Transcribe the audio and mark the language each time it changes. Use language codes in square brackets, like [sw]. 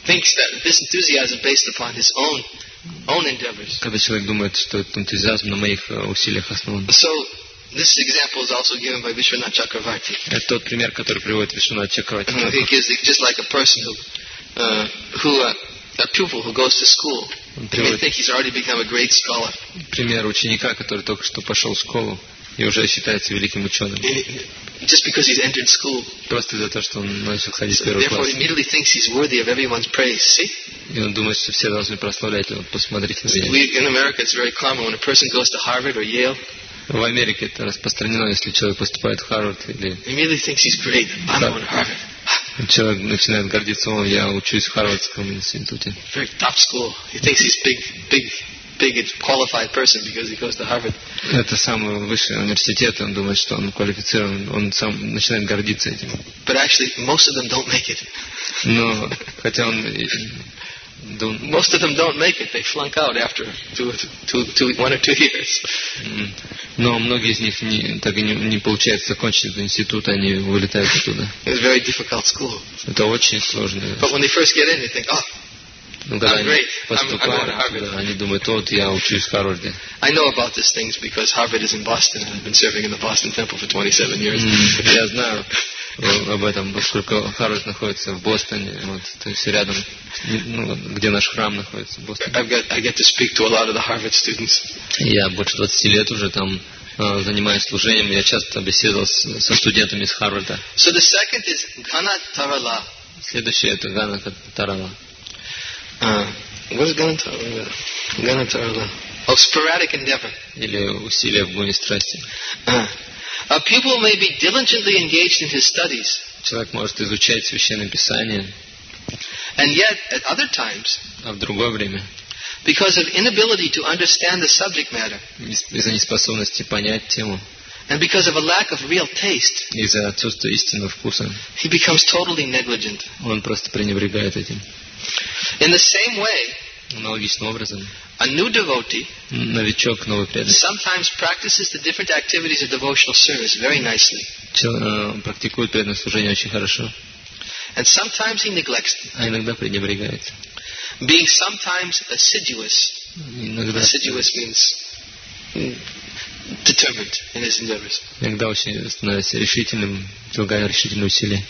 [en] Thinks that this enthusiasm is based upon his own endeavors. [ru] Когда человек думает, что этот энтузиазм на моих усилиях основан. [en] So this example is also given by Vishwanath Chakravarti. [ru] Это тот пример, который приводит Вишванат Чакравати. [en] He gives just like a person who a pupil who goes to school. He may think he's already become a great scholar. [ru] Пример ученика, который только что пошел в школу и уже считается великим ученым. [en] Just because he's entered school. [ru] Просто из-за того, что он начал ходить в первый класс. [en] Therefore, immediately thinks he's worthy of everyone's praise. See? [ru] И он думает, что все должны прославлять его. Посмотрите на меня. [en] In America, it's very common when a person goes to Harvard or Yale. [ru] В Америке это распространено, если человек поступает в Харвард или. [en] Immediately thinks he's great. I'm going to Harvard. [ru] Человек начинает гордиться, он, я учусь в Харвардском институте. [en] Very top school. He thinks he's big and qualified person because he goes to Harvard. [ru] Это самый высший университет, он думает, что он квалифицирован, он сам начинает гордиться этим. [en] But actually, most of them don't make it. [ru] Но хотя он. [en] Most of them don't make it. They flunk out after one or two years. [ru] Но многие из них так и не получается закончить институт, они вылетают оттуда. [en] It's a very difficult school. [ru] Это очень сложное. [en] But when they first get in, they think, oh, I'm great. I'm going to Harvard. [ru] Они думают, вот я учусь в Харварде. [en] I know about these things because Harvard is in Boston, and I've been serving in the Boston Temple for 27 years. [ru] Я знаю об этом, поскольку Харвард находится в Бостоне, вот, то есть рядом, ну, где наш храм находится, в Бостоне. [en] I get to speak to a lot of the Harvard students. [ru] Я больше 20 лет уже там занимаюсь служением, я часто беседовал со студентами из Харварда. [en] So the second is Gana Tarala. [ru] Следующее это Gana Tarala. [en] What is Gana Tarala? Gana Tarala. Oh, sporadic endeavor. [ru] Или усилия в гоне страсти. [en] A pupil may be diligently engaged in his studies. [ru] Человек может изучать священное писание. [en] And yet, at other times, [ru] а в другое время, [en] because of inability to understand the subject matter, [ru] из-за неспособности понять тему, [en] and because of a lack of real taste, [ru] из-за отсутствия истинного вкуса, [en] he becomes totally negligent. [ru] Он просто пренебрегает этим. [en] In the same way, [ru] аналогичным образом, [en] a new devotee, [ru] новичок, новый преданный, [en] sometimes practices the different activities of devotional service very nicely. [ru] Практикует преданное служение очень хорошо. [en] And sometimes he neglects them. [ru] А иногда пренебрегает. [en] Being sometimes assiduous. [ru] Иногда [en] assiduous means determined in his endeavors. [ru] Иногда очень становится решительным, прилагая решительные усилия.